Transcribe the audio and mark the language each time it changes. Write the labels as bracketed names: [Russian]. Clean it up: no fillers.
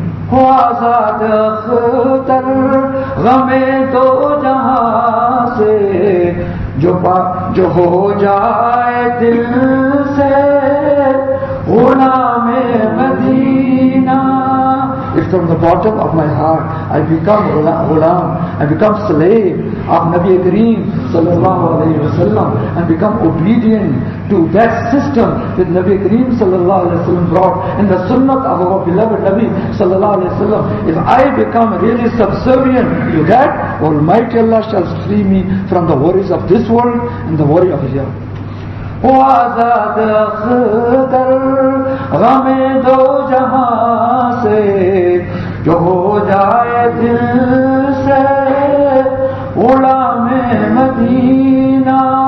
[Urdu] ہو آزاد اختر غم دو جہاں سے, جو پا جو ہو جائے دل سے غلام مدینہ. [English] If from the bottom of my heart I become غلام, I become slave of نبی کریم صلی اللہ علیہ وسلم and become obedient to that system that نبی کریم صلی اللہ علیہ وسلم brought in the sunnat of our beloved نبی صلی اللہ علیہ وسلم, if I become really subservient to that, almighty Allah shall free me from the worries of this world and the worry of here. [Urdu] ہو آزاد اختر غم دو جہاں سے, جو ہو جائے دل سے غلام مدینہ.